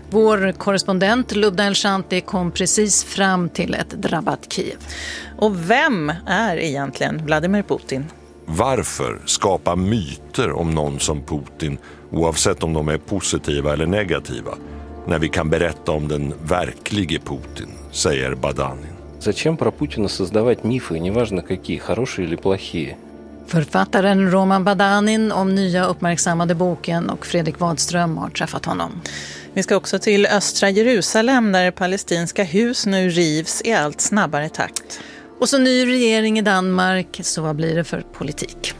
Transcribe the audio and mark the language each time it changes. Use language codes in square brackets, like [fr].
[sv] Vår korrespondent Lubna Elshanti kom precis fram till ett drabbat Kiev. Och vem är egentligen Vladimir Putin? Varför skapa myter om någon som Putin, oavsett om de är positiva eller negativa, när vi kan berätta om den verklige Putin, säger Badanin. [ru] Зачем про Путина создавать мифы, неважно какие, хорошие или плохие? [sv] Författaren Roman Badanin om nya uppmärksammade boken och Fredrik Wadström har träffat honom. Vi ska också till östra Jerusalem där palestinska hus nu rivs i allt snabbare takt. Och så ny regering i Danmark, så vad blir det för politik?